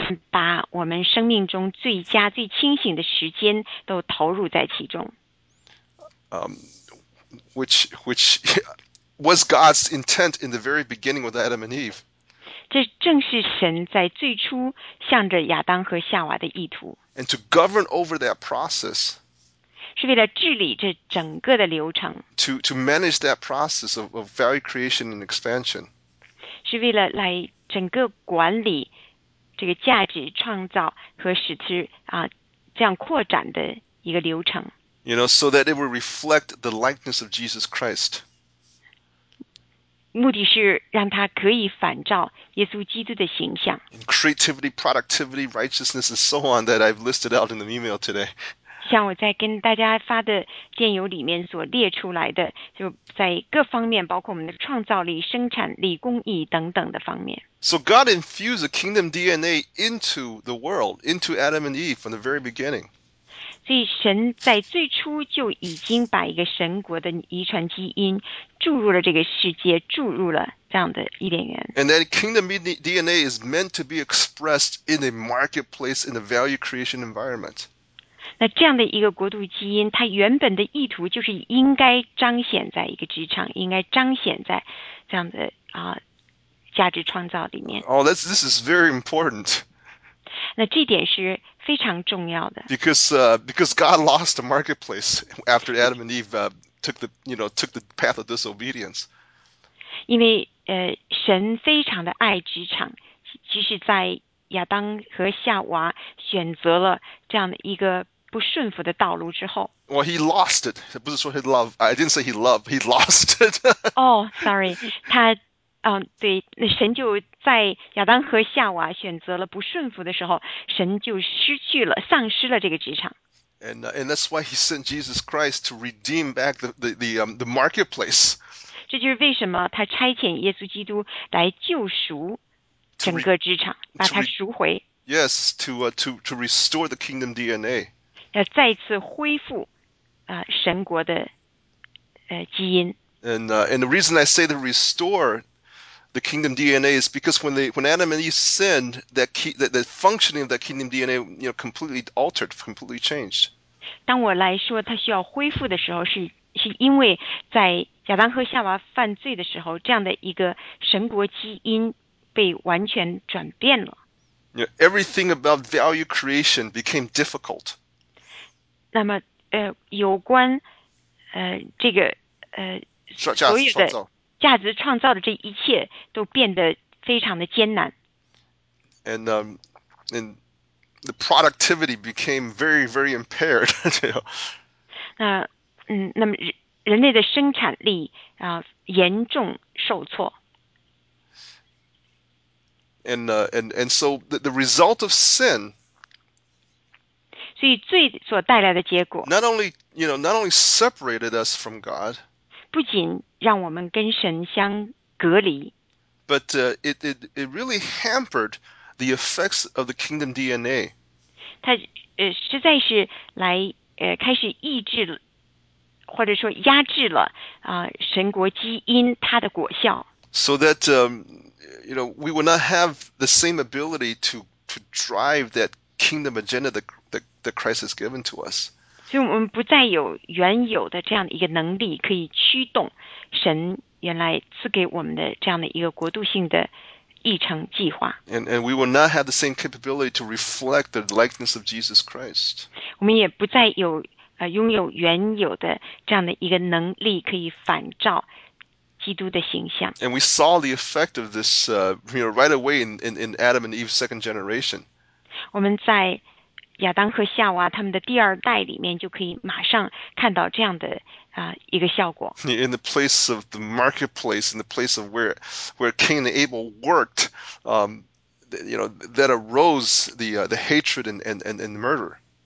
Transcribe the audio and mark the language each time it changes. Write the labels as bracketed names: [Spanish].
[Chinese] 把我们生命中最佳、最清醒的时间都投入在其中。 [English] Which was God's intent in the very beginning with Adam and Eve. [Chinese] 这正是神在最初向着亚当和夏娃的意图， [English] And to govern over that process. [Chinese] 是为了治理这整个的流程， [English] To manage that process of value creation and expansion. [Chinese] 是为了来整个管理这个价值创造和使之这样扩展的一个流程。 [English] You know, so that it will reflect the likeness of Jesus Christ. [Chinese] 目的是让它可以反照耶稣基督的形象， [English] In creativity, productivity, righteousness, and so on that I've listed out in the email today. [Chinese] 像我在跟大家发的电邮里面所列出来的，就在各方面，包括我们的创造力、生产力、公益等等的方面。 [English] So God infused a kingdom DNA into the world, into Adam and Eve from the very beginning. [Chinese] 所以，神在最初就已经把一个神国的遗传基因注入了这个世界，注入了这样的伊甸园。 [English] And that kingdom DNA is meant to be expressed in a marketplace in a value creation environment. [Chinese] 那这样的一个国度基因，它原本的意图就是应该彰显在一个职场，应该彰显在这样的价值创造里面。 [English] Oh, this is very important. [Chinese] 那这点是非常重要的。 [English] Because God lost the marketplace after Adam and Eve took the path of disobedience. [Chinese] 因为神非常的爱职场，即使在亚当和夏娃选择了这样的一个不顺服的道路之后。 [English] Well, he lost it. [Chinese] 不是说 [English] he loved. I didn't say he loved. He lost it. Oh, sorry， [Chinese] 他对，那神就在亚当和夏娃选择了不顺服的时候，神就失去了、丧失了这个职场。 [English] And that's why he sent Jesus Christ to redeem back the marketplace. [Chinese] 这就是为什么他差遣耶稣基督来救赎整个职场，把它赎回， [English] To restore the kingdom DNA. [Chinese] 要再次恢复神国的基因。 [English] And the reason I say to restore the kingdom DNA is because when Adam and Eve sinned, the functioning of that kingdom DNA, completely altered, completely changed. [Chinese] 当我来说它需要恢复的时候，是因为在亚当和夏娃犯罪的时候，这样的一个神国基因被完全转变了。 [English] Everything about value creation became difficult. [Chinese] 那么，有关这个价值有创的造。价值创造的这一切都变得非常的艰难。 [English] And the productivity became very, very impaired. [Chinese] 那么人类的生产力严重受挫。 [English] And so the result of sin, [Chinese] 所以罪所带来的结果， [English] not only separated us from God, [Chinese] 不仅让我们跟神相隔离。 [English] but it really hampered the effects of the kingdom DNA. [Chinese] 它实在是来开始抑制了，或者说压制了神国基因它的果效。 [English] So that we will not have the same ability to drive that kingdom agenda that Christ has given to us. [Chinese] 所以我们不再有原有的这样的一个能力，可以驱动神原来赐给我们的这样的一个国度性的议程计划。 [English] And we will not have the same capability to reflect the likeness of Jesus Christ. [Chinese] 我们也不再有拥有原有的这样的一个能力，可以反照基督的形象。 [English] And we saw the effect of this, right away in Adam and Eve's second generation. [Chinese] 我们在亚当和夏娃他们的第二代里面，就可以马上看到这样的一个效果。 [English] In the place of the marketplace, in the place of where Cain and Abel worked, that arose the hatred and murder.